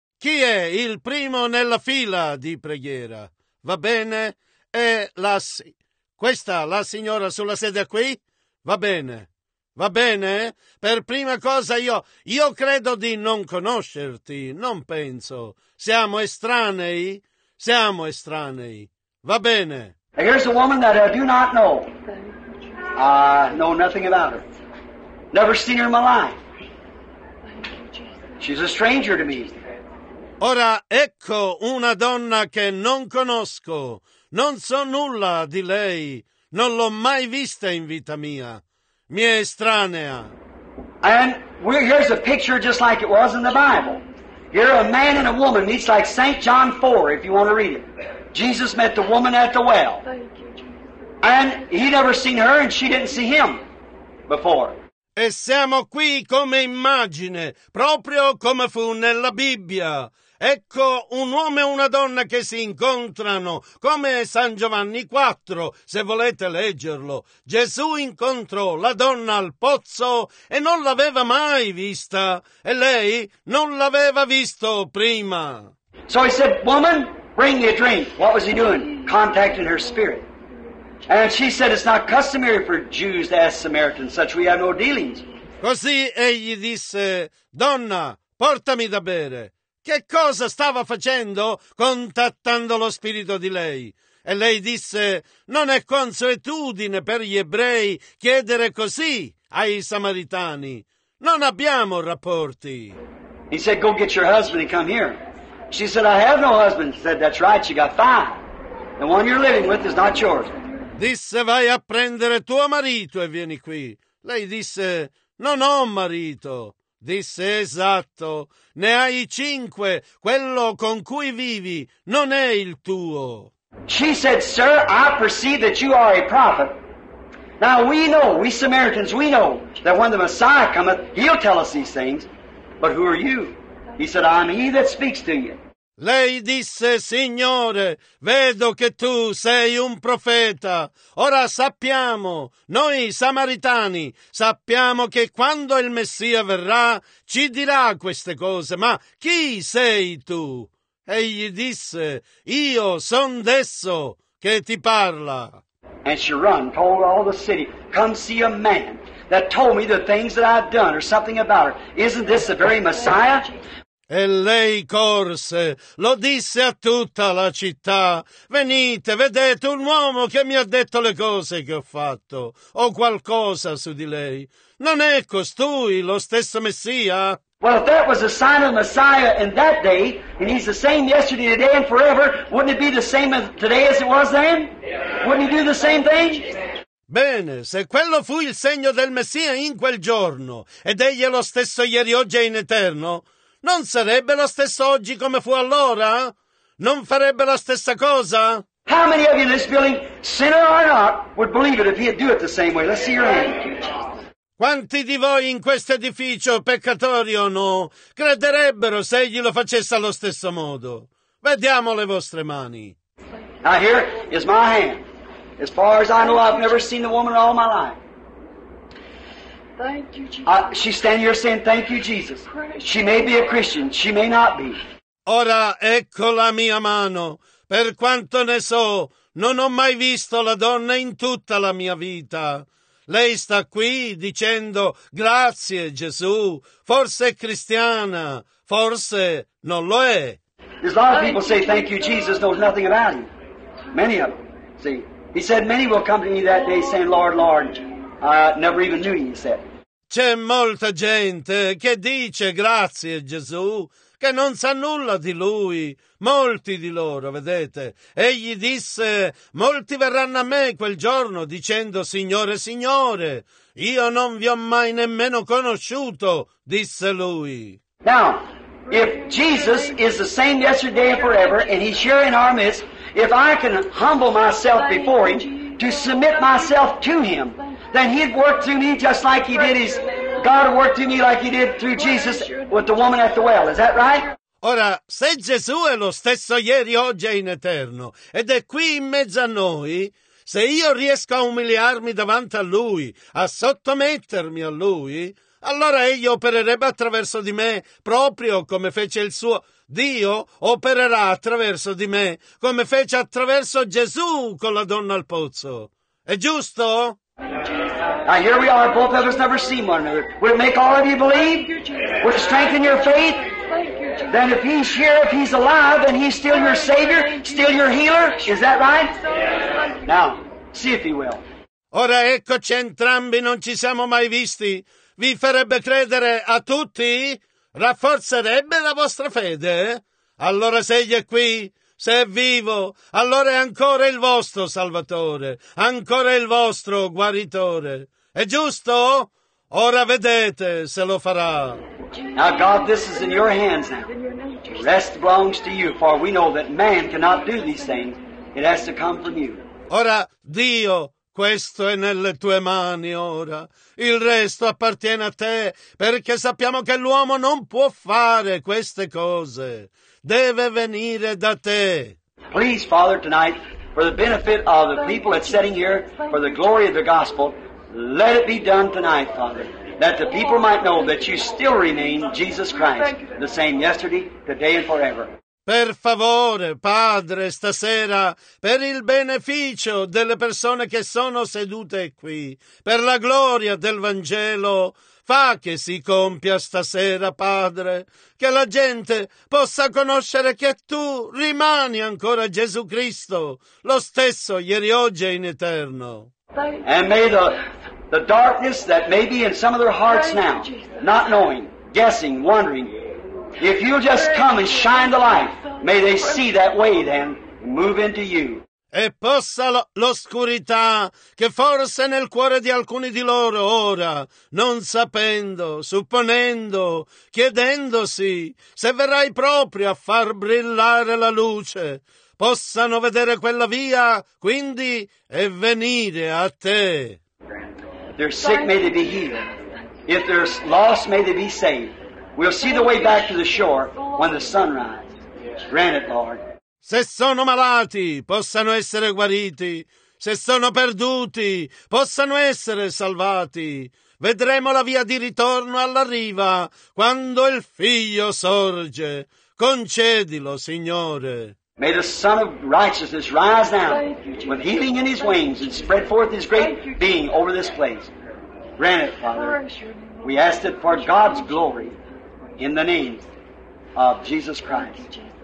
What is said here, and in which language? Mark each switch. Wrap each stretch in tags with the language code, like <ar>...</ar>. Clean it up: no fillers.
<it>Chi è il primo nella fila di preghiera? Va bene. È la signora sulla sedia qui? Va bene. Va bene? Per prima cosa io credo di non conoscerti, non penso. Siamo estranei? Siamo estranei. Va bene.</it> <en>Here's a woman that I do not know. I know nothing about her. Never seen her in my life. She's a stranger to me.</en> <it>Ora ecco una donna che non conosco. Non so nulla di lei. Non l'ho mai vista in vita mia. Mi è estranea.</it> <en>And here's a picture just like it was in the Bible. Here a man and a woman meets like St. John 4, if you want to read it. Jesus met the woman at the well. Thank you, Jesus. And he never seen her and she didn't see him before.</en> <it>E siamo qui come immagine, proprio come fu nella Bibbia. Ecco un uomo e una donna che si incontrano, come San Giovanni 4, se volete leggerlo. Gesù incontrò la donna al pozzo e non l'aveva mai vista, e lei non l'aveva visto prima.</it> <en>So he said, woman, bring me a drink. What was he doing? Contacting her spirit. And she said, it's not customary for Jews to ask Samaritans, such we have no dealings.</en> <it>Così egli disse, donna, portami da bere. Che cosa stava facendo contattando lo spirito di lei? E lei disse, non è consuetudine per gli ebrei chiedere così ai samaritani. Non abbiamo rapporti.</it> <en>He said, go get your husband and come here. She said, I have no husband. He said, that's right, you got five. The one you're living with is not yours.</en> <it>Disse, vai a prendere tuo marito e vieni qui. Lei disse, non ho marito. Disse, esatto, ne hai cinque, quello con cui vivi non è il tuo.</it> <en>She said, sir, I perceive that you are a prophet. Now we know, we Samaritans, we know that when the Messiah cometh, he'll tell us these things. But who are you? He said, I'm he that speaks to you.</en> <it>Lei disse, Signore, vedo che tu sei un profeta. Ora sappiamo, noi samaritani, sappiamo che quando il Messia verrà ci dirà queste cose. Ma chi sei tu? Egli disse, io son desso che ti parla.</it> <en>And she run, told all the city, come see a man that told me the things that I've done or something about her. Isn't this the very Messiah?</en> <it>E lei corse, lo disse a tutta la città, venite, vedete un uomo che mi ha detto le cose che ho fatto, o qualcosa su di lei. Non è costui lo stesso Messia?</it> <en>Well, if that was a sign of Messiah in that day, and he's the same yesterday, today, and forever, wouldn't it be the same today as it was then? Wouldn't he do the same thing?</en> <it>Bene, se quello fu il segno del Messia in quel giorno, ed egli è lo stesso ieri, oggi e in eterno, non sarebbe lo stesso oggi come fu allora? Non farebbe la stessa cosa?</it> <en>How many of you in this building, sinner or not, would believe it if he'd do it the same way? Let's see your hand.</en> <it>Quanti di voi in questo edificio, peccatori o no, crederebbero se egli lo facesse allo stesso modo? Vediamo le vostre mani.</it> <en>Now here is my hand. As far as I know, I've never seen a woman in all my life. Thank you, Jesus. She's standing here saying, thank you, Jesus. She may be a Christian, she may not be.</en> <it>Ora, ecco la mia mano. Per quanto ne so, non ho mai visto la donna in tutta la mia vita. Lei sta qui dicendo, grazie, Gesù. Forse è cristiana, forse non lo è.</it> <en>There's a lot of people say, thank you, Jesus, knows nothing about him. Many of them, see. He said, many will come to me that day saying, Lord, Lord. Never even knew you, said.</en> <it>C'è molta gente che dice grazie Gesù, che non sa nulla di lui, molti di loro, vedete. Egli disse, molti verranno a me quel giorno dicendo, Signore, Signore, io non vi ho mai nemmeno conosciuto, disse lui.</it> <en>Now, if Jesus is the same yesterday and forever, and he's here in our midst, if I can humble myself before him, to submit myself to him, then he'd work through me just like he did his God worked through me like he did through Jesus with the woman at the well. Is that right?</en> <it>Ora, se Gesù è lo stesso ieri, oggi e in eterno, ed è qui in mezzo a noi, se io riesco a umiliarmi davanti a lui, a sottomettermi a lui, allora egli opererebbe attraverso di me, proprio come fece il suo Dio opererà attraverso di me, come fece attraverso Gesù con la donna al pozzo. È giusto?</it> <en>Now here we are, both of us never seen one another. Would it make all of you believe? Would it strengthen your faith? Then if he's here, if he's alive, then he's still your Savior, still your healer. Is that right? Now, see if he will.</en> <it>Ora eccoci entrambi, non ci siamo mai visti. Vi farebbe credere a tutti? Rafforzerebbe la vostra fede? Allora se egli è qui, se è vivo, allora è ancora il vostro salvatore, ancora il vostro guaritore. È giusto? Ora vedete se lo farà.</it> <en>Now God, this is in your hands now. The rest belongs to you, for we know that man cannot do these things. It has to come from you.</en> <it>Ora, Dio, questo è nelle tue mani ora. Il resto appartiene a te, perché sappiamo che l'uomo non può fare queste cose. Deve venire da te.</it> <en>Please, Father, tonight, for the benefit of the people that's sitting here, for the glory of the gospel, let it be done tonight, Father, that the people might know that you still remain Jesus Christ, the same yesterday, today, and forever.</en> <it>Per favore, Padre, stasera, per il beneficio delle persone che sono sedute qui, per la gloria del Vangelo, fa che si compia stasera, Padre, che la gente possa conoscere che tu rimani ancora Gesù Cristo, lo stesso ieri, oggi e in eterno.</it> <en>And may the darkness that may be in some of their hearts now, not knowing, guessing, wondering, if you'll just come and shine the light, may they see that way then move into you.</en> <it>E possa l'oscurità che forse nel cuore di alcuni di loro ora, non sapendo, supponendo, chiedendosi se verrai proprio a far brillare la luce, possano vedere quella via, quindi, e venire a te.</it> <en>If they're sick, may they be healed. If they're lost, may they be saved. We'll see the way back to the shore when the sun rises. Grant it, Lord.</en> <it>Se sono malati, possano essere guariti. Se sono perduti, possano essere salvati. Vedremo la via di ritorno alla riva quando il Figlio sorge. Concedilo, Signore.</it> <en>May the Son of Righteousness rise now with healing in his wings and spread forth his great being over this place. Grant it, Father. We ask it for God's glory in the name of Jesus Christ.</en>